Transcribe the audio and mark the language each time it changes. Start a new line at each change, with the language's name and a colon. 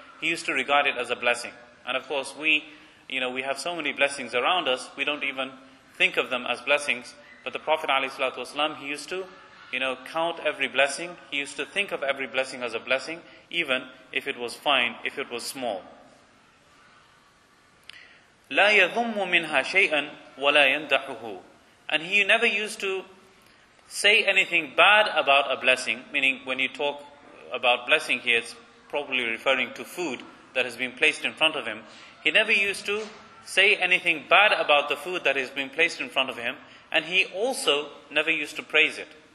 English: He used to regard it as a blessing. And of course, we have so many blessings around us, we don't even think of them as blessings. But the Prophet ﷺ, he used to, count every blessing. He used to think of every blessing as a blessing, even if it was fine, if it was small.
Arabic: لا يذم منها شيئا ولا يندحه.
English: And he never used to say anything bad about a blessing, meaning when you talk about blessing here, it's probably referring to food that has been placed in front of him. He never used to say anything bad about the food that has been placed in front of him, and he also never used to praise it.